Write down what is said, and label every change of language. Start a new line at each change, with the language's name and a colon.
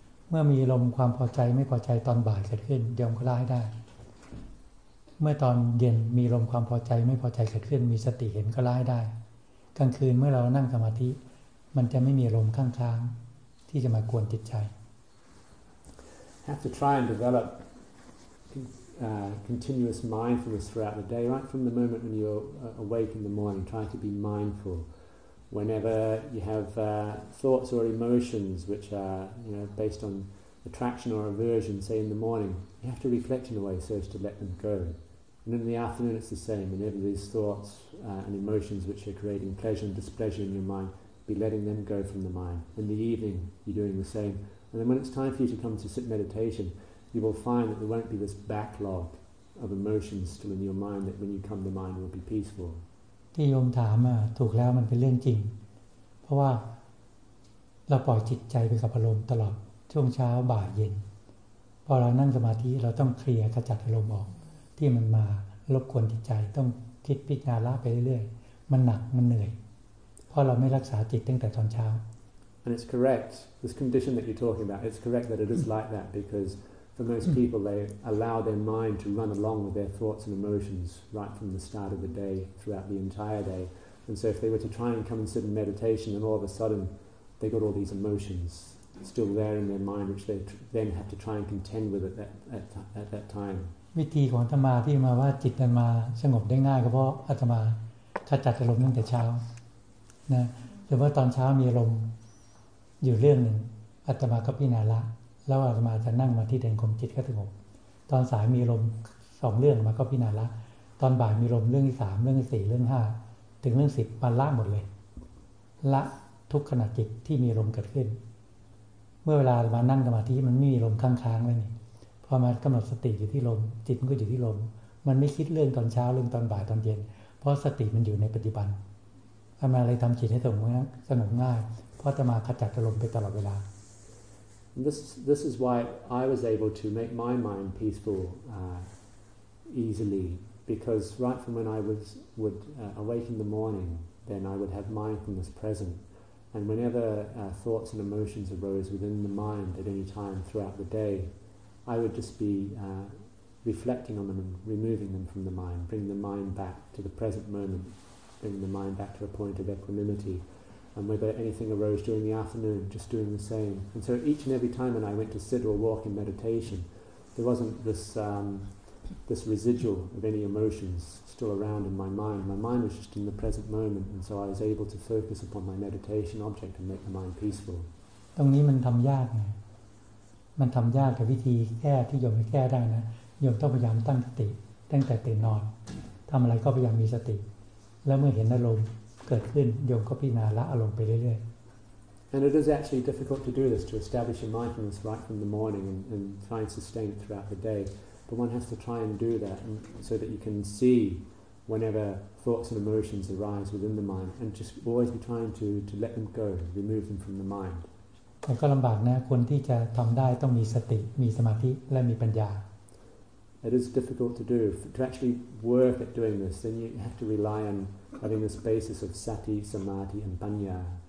Thai: เมื่อมีลมความพอใจไม่พอใจตอนบ่ายเกิดขึ้นเดี๋ยวก็ละให้ได้เมื่อตอนเย็นมีลมความพอใจไม่พอใจเกิดขึ้นมีสติเห็นก็ละให้ได้กลางคืนเมื่อเรานั่งสมาธิมันจะไม่มีลมข้างๆที่จะมากวนจิตใจ
English: Have to try and develop continuous mindfulness throughout the day right from the moment when you're awake in the morning try to be mindfulWhenever you have thoughts or emotions which are based on attraction or aversion, say in the morning, you have to reflect in a way so as to let them go. And in the afternoon it's the same. Whenever these thoughts and emotions which are creating pleasure and displeasure in your mind, be letting them go from the mind. In the evening, you're doing the same. And then when it's time for you to come to sit meditation, you will find that there won't be this backlog of emotions still in your mind that when you come to mind will be peaceful
Thai: ที่โยมถามอ่ะถูกแล้วมันเป็นเรื่องจริงเพราะว่าเราปล่อยจิตใจไปกับอารมณ์ตลอดช่วงเช้าบ่ายเย็นพอเรานั่งสมาธิเราต้องเคลียร์ขจัดอารมณ์ออกที่มันมารบกวนจิตใจต้องคิดพิจารณาไปเรื่อยๆมันหนักมันเหนื่อยเพราะเราไม่รักษาจิตตั้งแต่ตอนเช้า
English: And it's correct this condition that you're talking about it's correct that it is like that because for most people they allow their mind to run along with their thoughts and emotions right from the start of the day throughout the entire day and so if they were to try and come and sit in meditation and all of a sudden they got all these emotions still there in their mind which they then have to try and contend with at that time
Thai: วิธีของอาตมาที่มาว่าจิตมันมาสงบได้ง่ายก็เพราะอาตมาขจัดอารมณ์ตั้งแต่เช้านะหรือว่าตอนเช้ามีอารมณ์อยู่เรื่องนึงอาตมาก็พิจารณาแล้วอาตมาจะนั่งมาที่เดินกรมจิตก็สงบตอนสายมีลม2เรื่องมาก็พิจารณาตอนบ่ายมีลมเรื่องที่3เรื่องที่4เรื่อง5ถึงเรื่อง10มันละหมดเลยละทุกขณะจิตที่มีลมเกิดขึ้น เมื่อเวลามานั่งสมาธิมันไม่มีลมค้างๆแล้วนี่พอมากําหนดสติอยู่ที่ลมจิตก็อยู่ที่ลมมันไม่คิดเรื่องตอนเช้าเรื่องตอนบ่ายตอนเย็นเพราะสติมันอยู่ในปัจจุบันอาตมาเลยทําจิตให้สงบง่ายสงบง่ายเพราะอาตมาขจัดอารมณ์ไปตลอดเวลา
English: This is why I was able to make my mind peaceful easily because right from when I would awake in the morning, then I would have mindfulness present. And whenever thoughts and emotions arose within the mind at any time throughout the day, I would just be reflecting on them and removing them from the mind, bringing the mind back to the present moment, bringing the mind back to a point of equanimity. And whether anything arose during the afternoon, just doing the same. And so each and every time when I went to sit or walk in meditation, there wasn't this, this residual of any emotions still around in my mind. My mind was just in the present moment, and so I was able to focus upon my meditation object and make the mind peaceful.
Thai: ตรงนี้มันทำยากไงมันทำยากแต่วิธีแก้ที่โยมให้แก้ได้นะโยมต้องพยายามตั้งสติตั้งแต่ตื่นนอนทำอะไรก็พยายามมีสติแล้วเมื่อเห็นอารมณ์เกิดขึ้นโยมก็พิจารณาละอารมณ์ไปเรื่อย
English: ๆ And it is actually difficult to do this to establish a mindfulness right from the morning and try and sustain it throughout the day but one has to try and do that and so that you can see whenever thoughts and emotions arise within the mind and just always be trying to let them go remove them from the mind
Thai: แต่ก็ลำบากนะคนที่จะทำได้ต้องมีสติมีสมาธิและมีปัญญา
English: It is difficult to do. To actually work at doing this, then you have to rely on having this basis of sati, samadhi, and panya.